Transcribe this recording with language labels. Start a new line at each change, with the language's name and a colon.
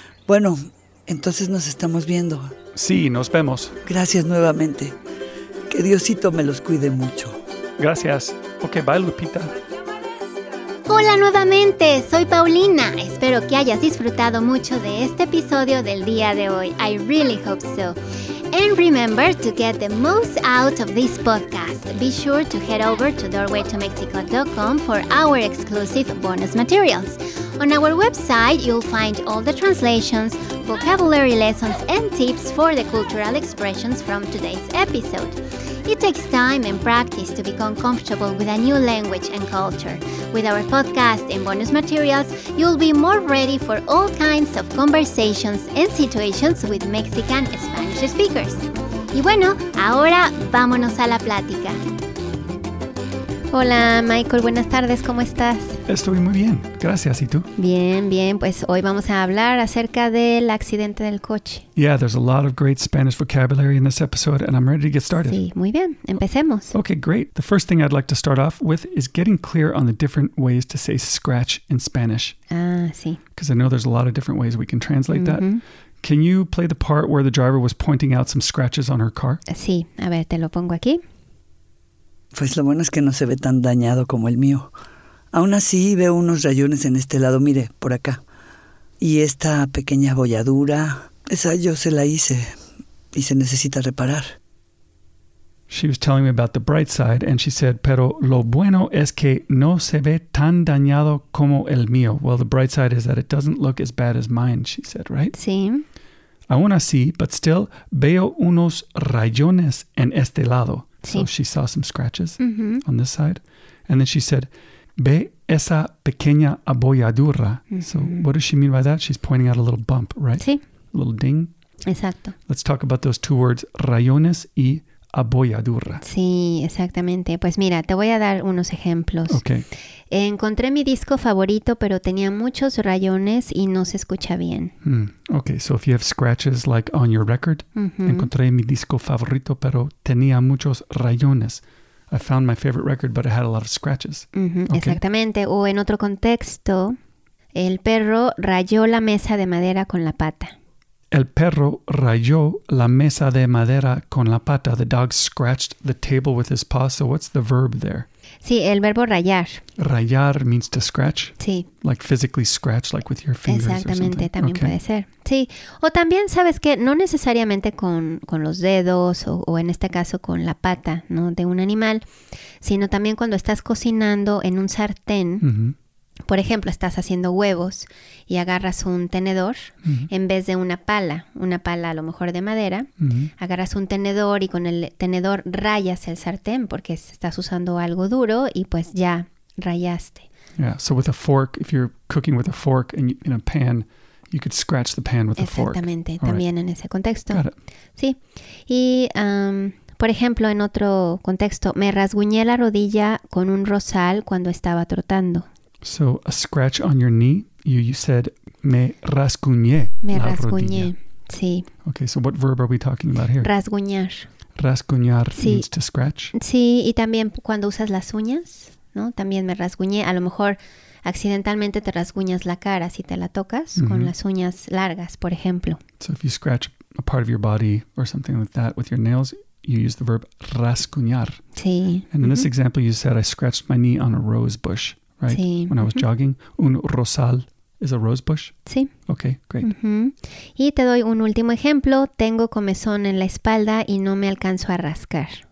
Spanish: Bueno, entonces nos estamos viendo. Sí, nos vemos. Gracias nuevamente. Que Diosito me los cuide mucho. Gracias. Ok, bye, Lupita. Hola nuevamente, soy Paulina. Espero que hayas disfrutado mucho de este episodio del día de hoy.
English: I really hope so. And remember, to get the most out of this podcast, be sure to head over to doorwaytomexico.com for our exclusive bonus materials. On our website, you'll find all the translations, vocabulary lessons, and tips for the cultural expressions from today's episode. It takes time and practice to become comfortable with a new language and culture. With our podcast and bonus materials, you'll be more ready for all kinds of conversations and situations with Mexican Spanish speakers.
Spanish: Y bueno, ahora vámonos a la plática. Hola, Michael. Buenas tardes. ¿Cómo estás? Estoy muy bien. Gracias. ¿Y tú? Bien. Pues hoy vamos a hablar acerca del accidente del coche.
English: Yeah, there's a lot of great Spanish vocabulary in this episode, and I'm ready to get started.
Spanish: Sí, muy bien. Empecemos.
English: Okay, great. The first thing I'd like to start off with is getting clear on the different ways to say scratch in Spanish.
Spanish: Ah, sí.
English: Because I know there's a lot of different ways we can translate mm-hmm. that. Can you play the part where the driver was pointing out some scratches on her car?
Spanish: Sí. A ver, te lo pongo aquí. Pues lo bueno es que no se ve tan dañado como el mío. Aún así, veo unos rayones en este lado, mire, por acá. Y esta pequeña abolladura, esa yo se la hice y se necesita reparar.
English: She was telling me about the bright side and she said,
Spanish: pero lo bueno es que no se ve tan dañado como el mío.
English: Well, the bright side is that it doesn't look as bad as mine, she said, right?
Spanish: Sí. Aún así,
English: but still,
Spanish: veo unos rayones en este lado.
English: So sí. She saw some scratches mm-hmm. on this side. And then she said,
Spanish: ve esa pequeña abolladura.
English: Mm-hmm. So what does she mean by that? She's pointing out a little bump, right?
Spanish: Sí.
English: A little ding.
Spanish: Exacto.
English: Let's talk about those two words, rayones y abolladura.
Spanish: Sí, exactamente. Pues mira, te voy a dar unos ejemplos.
English: Okay.
Spanish: Encontré mi disco favorito, pero tenía muchos rayones y no se escucha bien. Hmm.
English: Okay, so if you have scratches like on your record, mm-hmm.
Spanish: encontré mi disco favorito, pero tenía muchos rayones.
English: I found my favorite record, but it had a lot of scratches. Mm-hmm. Okay. Exactamente.
Spanish: O en otro contexto, el perro rayó la mesa de madera con la pata. El perro rayó la mesa de madera con la pata.
English: The dog scratched the table with his paw. So what's the verb there?
Spanish: Sí, el verbo rayar.
English: Rayar means to scratch?
Spanish: Sí.
English: Like physically scratch, like with your fingers.
Spanish: Exactamente,
English: or
Spanish: también okay. Puede ser. Sí, o también, ¿sabes qué? No necesariamente con los dedos o en este caso con la pata, ¿no? De un animal, sino también cuando estás cocinando en un sartén. Uh-huh. Por ejemplo, estás haciendo huevos y agarras un tenedor en vez de una pala a lo mejor de madera, agarras un tenedor y con el tenedor rayas el sartén porque estás usando algo duro y pues ya rayaste.
English: Yeah, so with a fork, if you're cooking with a fork and in a pan, you could scratch the pan with a fork.
Spanish: Exactamente, también
English: right.
Spanish: En ese contexto.
English: Got it.
Spanish: Sí, y por ejemplo, en otro contexto, me rasguñé la rodilla con un rosal cuando estaba trotando.
English: So, a scratch on your knee, you said,
Spanish: me rasguñé la rodilla. Me rasguñé, sí.
English: Okay, so what verb are we talking about here?
Spanish: Rasguñar.
English: Rasguñar sí. Means to scratch.
Spanish: Sí, y también cuando usas las uñas, ¿no? También me rasguñé. A lo mejor, accidentalmente te rasguñas la cara si te la tocas con las uñas largas, por ejemplo.
English: So, if you scratch a part of your body or something like that with your nails, you use the verb rasguñar.
Spanish: Sí.
English: And in this example, you said, I scratched my knee on a rose bush. Right?
Spanish: Sí.
English: When I was jogging, un rosal is a rose bush?
Spanish: Sí.
English: Okay, great.
Spanish: Y te doy un último ejemplo. Tengo comezón en la espalda y no me alcanzo a rascar.